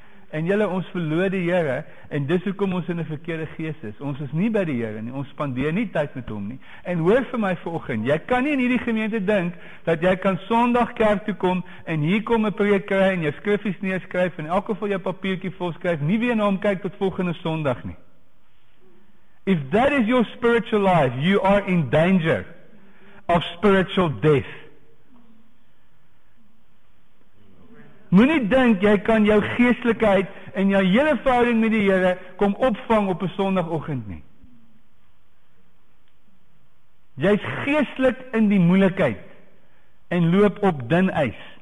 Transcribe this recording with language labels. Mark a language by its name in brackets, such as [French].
[Afrikaans] En julle, ons verloor die Here en dis hoekom ons in 'n verkeerde gees is. Ons is nie by die Here nie. Ons spandeer nie tyd met hom nie. En hoor vir my vanoggend, jy kan nie in hierdie gemeente dink dat jy kan Sondag kerk toe kom en hier kom 'n preek kry en jou skriffies neerskryf en elke vol jou papiertjie vol skryf, nie weer na hom kyk tot volgende Sondag nie. [English] If that is your spiritual life, you are in danger of spiritual death. [Afrikaans] Moet nie dink, jy kan jou geestelikheid en jou hele verhouding met die Here kom opvang op 'n sonoggend nie. Jy's geestelik in die moeilikheid en loop op dun ys.